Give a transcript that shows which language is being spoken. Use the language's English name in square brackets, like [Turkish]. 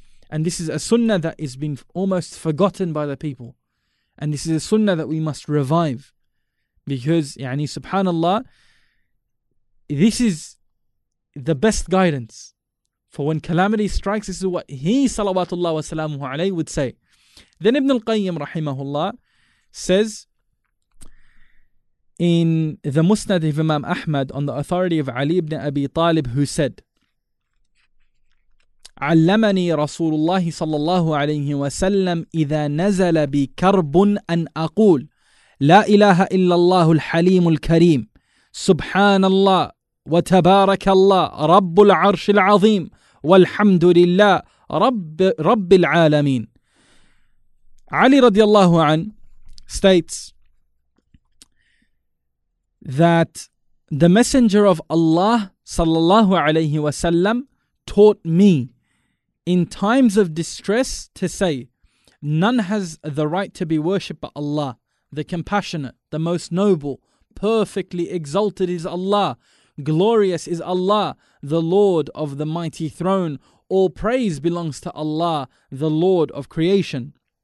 [English] And this is a sunnah that is being almost forgotten by the people. And this is a sunnah that we must revive. Because, يعني, subhanallah, this is the best guidance. For when calamity strikes, this is what he salawatullah wa salamuhu alayhi would say. Then Ibn al-Qayyim rahimahullah says, in the Musnad of Imam Ahmad, on the authority of Ali ibn Abi Talib, who said, [Arabic] عَلَّمَنِي رَسُولُ اللَّهِ صَلَّى اللَّهُ عَلَيْهِ وَسَلَّمْ إِذَا نَزَلَ بِكَرْبٌ أَنْ أَقُولُ لَا إِلَهَ إِلَّا اللَّهُ الْحَلِيمُ الْكَرِيمُ سُبْحَانَ اللَّهُ وَتَبَارَكَ اللَّهُ رَبُّ الْعَرْشِ الْعَظِيمُ وَالْحَمْدُ لِلَّهُ رَبِّ الْعَالَمِينَ. [English] Ali radiallahu anhu states that the Messenger of Allah sallallahu alayhi wa sallam taught me in times of distress to say, none has the right to be worshipped but Allah, the compassionate, the most noble, perfectly exalted is Allah, glorious is Allah, the Lord of the mighty throne, all praise belongs to Allah, the Lord of creation.